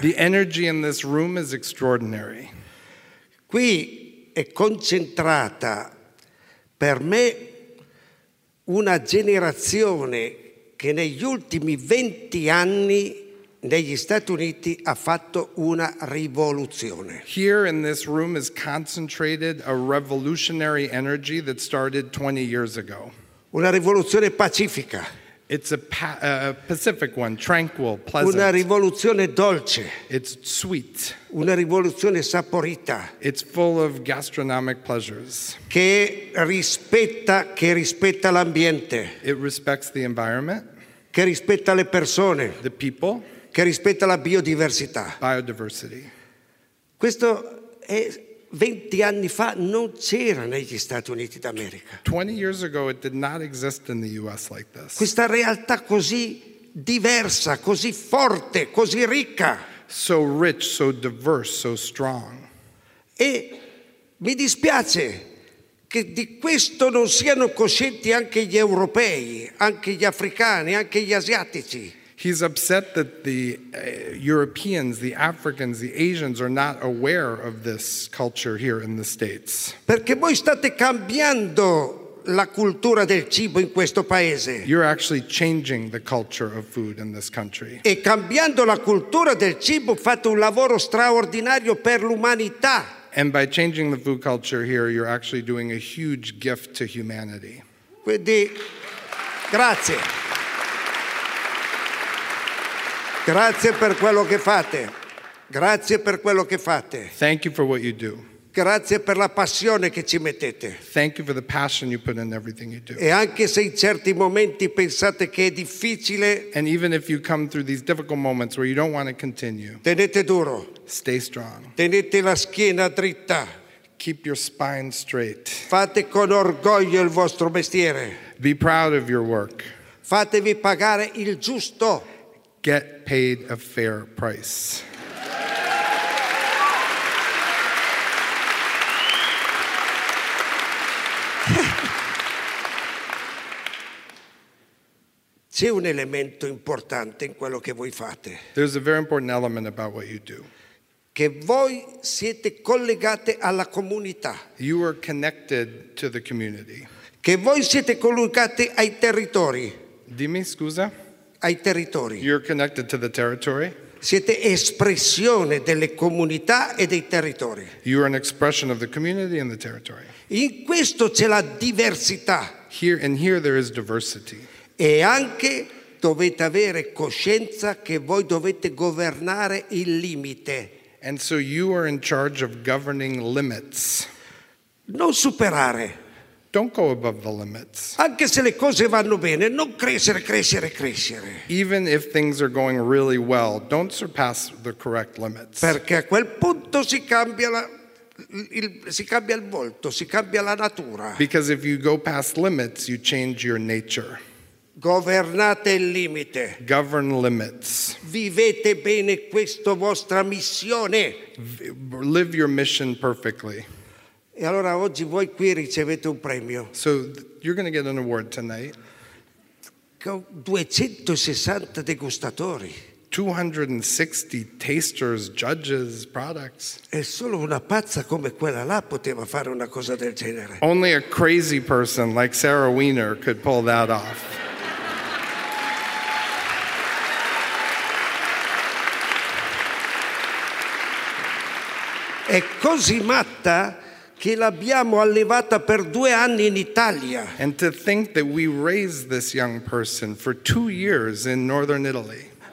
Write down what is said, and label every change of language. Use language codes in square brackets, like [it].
[en] The energy in this room is extraordinary. [it] Qui è concentrata per me una generazione che negli ultimi 20 anni negli Stati Uniti ha fatto una rivoluzione. [en] Here in this room is concentrated a revolutionary energy that started 20 years ago. [it] Una rivoluzione pacifica. [en] It's a pacific one, tranquil, pleasant. [it] Una rivoluzione dolce. [en] It's sweet. [it] Una rivoluzione saporita. [en] It's full of gastronomic pleasures. [it] Che rispetta l'ambiente. [en] It respects the environment. [it] Che rispetta le persone. [en] The people. [it] Che rispetta la biodiversità. [en] Biodiversity. [it] Questo è 20 anni fa non c'era negli Stati Uniti d'America. [en] 20 years ago it did not exist in the US like this. [it] Questa realtà così diversa, così forte, così ricca. [en] So rich, so diverse, so strong. [it] E mi dispiace che di questo non siano coscienti anche gli europei, anche gli africani, anche gli asiatici. [en] He's upset that the Europeans, the Africans, the Asians are not aware of this culture here in the States. [it] Perché voi state cambiando la cultura del cibo in questo paese. [en] You're actually changing the culture of food in this country. [it] E cambiando la cultura del cibo fate un lavoro straordinario per l'umanità. [en] And by changing the food culture here, you're actually doing a huge gift to humanity. [it] Quindi, grazie. Grazie per quello che fate. Grazie per quello che fate. [en] Thank you for what you do. [it] Grazie per la passione che ci mettete. [en] Thank you for the passion you put in everything you do. [it] E anche se in certi momenti pensate che è difficile. [en] And even if you come through these difficult moments where you don't want to continue. [it] Tenete duro. [en] Stay strong. [it] Tenete la schiena dritta. [en] Keep your spine straight. [it] Fate con orgoglio il vostro mestiere. [en] Be proud of your work. [it] Fatevi pagare il giusto. [en] Get paid a fair price. [it] C'è un elemento importante in quello che voi fate. [en] There's a very important element about what you do. [it] Che voi siete collegate alla comunità. [en] You are connected to the community. [it] Che voi siete collegate ai territori. Dimmi, scusa? Ai territori. [en] You're connected to the territory. [it] Siete espressione delle comunità e dei territori. [en] You are an expression of the community and the territory. [it] In questo c'è la diversità. [en] Here and here there is diversity. [it] E anche dovete avere coscienza che voi dovete governare il limite. [en] And so you are in charge of governing limits. [it] Non superare. [en] Don't go above the limits. [it] Anche se le cose vanno bene, non crescere, crescere, crescere. [en] Even if things are going really well, don't surpass the correct limits. [it] Perché a quel punto si cambia il volto, si cambia la natura. [en] Because if you go past limits, you change your nature. [it] Governate il limite. [en] Govern limits. [it] Vivete bene questa vostra missione. [en] Live your mission perfectly. [it] E allora oggi voi qui ricevete un premio. [en] So you're going to get an award tonight. [it] Con 260 degustatori. [en] 260 tasters, judges, products. [it] E solo una pazza come quella là poteva fare una cosa del genere. [en] Only a crazy person like Sarah Wiener could pull that off. [it] È così matta che l'abbiamo allevata per 2 anni in Italia. [en] And to think that we raised this young person for 2 years in northern Italy.